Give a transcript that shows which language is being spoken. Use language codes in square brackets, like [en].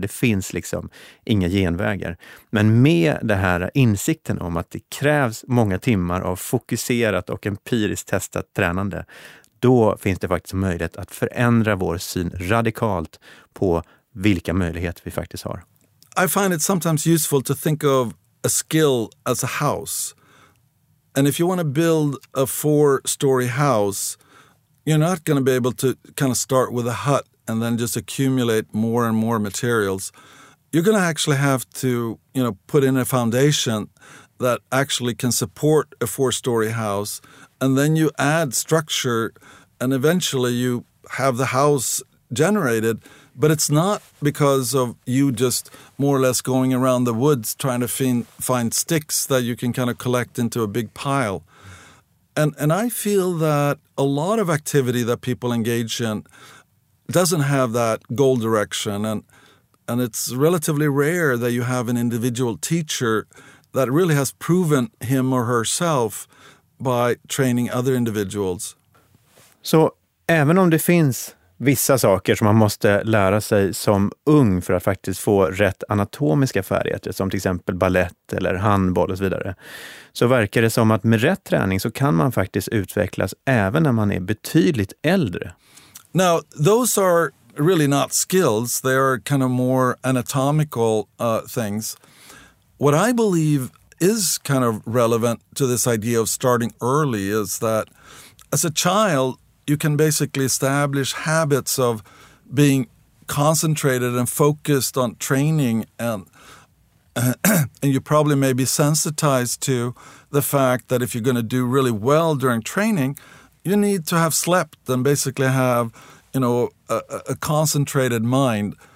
[sv] Det finns liksom inga genvägar. Men med det här insikten om att det krävs många timmar av fokuserat och empiriskt testat tränande, då finns det faktiskt möjlighet att förändra vår syn radikalt på vilka möjligheter vi faktiskt har. [en] I find it sometimes useful to think of a skill as a house. And if you want to build a 4-story house, you're not going to be able to kind of start with a hut and then just accumulate more and more materials. You're going to actually have to, you know, put in a foundation that actually can support a 4-story house, and then you add structure and eventually you have the house generated. But it's not because of you just more or less going around the woods trying to find sticks that you can kind of collect into a big pile. And I feel that a lot of activity that people engage in doesn't have that goal direction. And it's relatively rare that you have an individual teacher that really has proven him or herself by training other individuals. [sv] So även om det finns vissa saker som man måste lära sig som ung för att faktiskt få rätt anatomiska färdigheter, som till exempel ballett eller handboll och så vidare, så verkar det som att med rätt träning så kan man faktiskt utvecklas även när man är betydligt äldre. [en] Now, those are really not skills. They are kind of more anatomical things. What I believe is kind of relevant to this idea of starting early is that as a child, you can basically establish habits of being concentrated and focused on training, and you probably may be sensitized to the fact that if you're going to do really well during training, you need to have slept and basically have, you know, a concentrated mind.